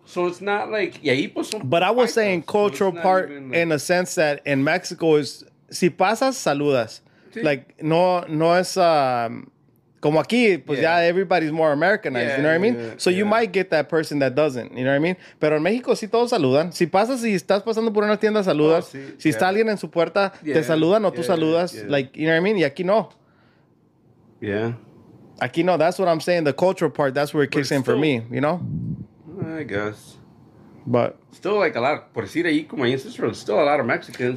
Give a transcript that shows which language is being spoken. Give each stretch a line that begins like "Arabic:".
English: So it's not like, yeah, he puts some. But I was saying cultural part in a sense that in Mexico is,
Spanish: si pasas, saludas. ¿Sí?
English: Like,
Spanish: no es, como aquí, pues
English: yeah. Ya everybody's more Americanized, yeah, you know what I mean? Yeah, so you might get that person that doesn't, you know what I mean?
Spanish: Pero en México sí todos saludan. Si pasas y estás pasando por una tienda, saludas. Oh, sí, si está alguien en su puerta, te saludan o tú saludas.
English: Yeah. Like, you know what I mean?
Spanish: Y aquí no.
English: Yeah.
Spanish: Aquí no.
English: That's what I'm saying. The cultural part, that's where it kicks still, in for me, you know? I guess. But still, like, a lot,
Spanish: por decir ahí como en Cicero,
English: still a lot of Mexicans.